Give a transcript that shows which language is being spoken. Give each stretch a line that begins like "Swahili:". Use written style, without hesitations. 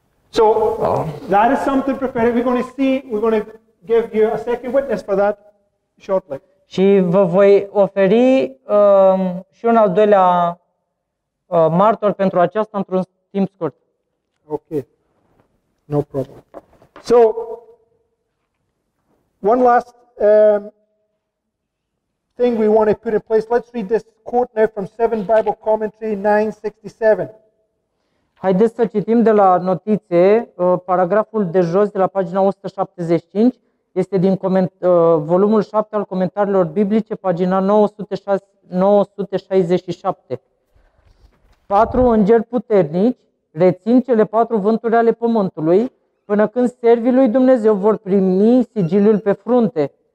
English: So that is something prepared. We're going to see. We're going to give you a second witness for that shortly.
Romanian: Și vă voi oferi și un al doilea martor pentru aceasta într-un timp scurt.
English: Okay. No problem. So one last. Thing we want to put in place. Let's read this quote now from 7 Bible Commentary 967.
Romanian: Haideți să citim de la notițe, paragraful de jos de la pagina 175, este din volumul 7 al comentariilor biblice, pagina 967. Patru îngeri puternici rețin cele patru vânturi ale pământului, până când servii lui Dumnezeu vor primi sigiliul pe frunte.